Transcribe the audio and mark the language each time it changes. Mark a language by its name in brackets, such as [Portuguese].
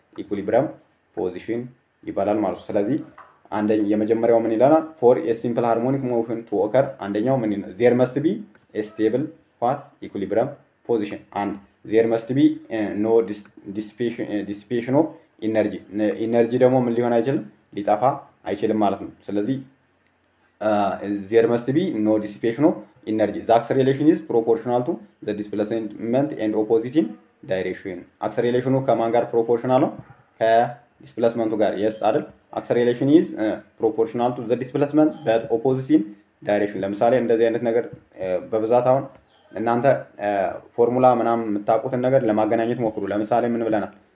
[Amharic] equilibrium position ይባላል ማለት ነው። ስለዚህ አንደኛ የመጀመሪያው ምን ይላል? [English] for a simple harmonic motion to occur [Amharic] አንደኛው ምን ነው? [English] there must be a stable what equilibrium position and there must be no dissipation of energy. [Amharic] energy ደግሞ ምን ሊሆን አይችልም? ሊጠፋ አይችልም ማለት ነው። ስለዚህ [English] there must be no dissipation of energy. the acceleration is proportional to the displacement and opposite in direction. [Amharic] acceleration ከማን ጋር proportional ነው? ከ displacement ጋር yes አይደል? [English] acceleration is proportional to the displacement but opposite in direction. [Amharic] ለምሳሌ እንደዚህ አይነት ነገር በብዛት አሁን እናንተ ፎርሙላ ምናምን የምታውቁትን ነገር ለማገናኘት ሞክሩ። ለምሳሌ ምን ብለናል?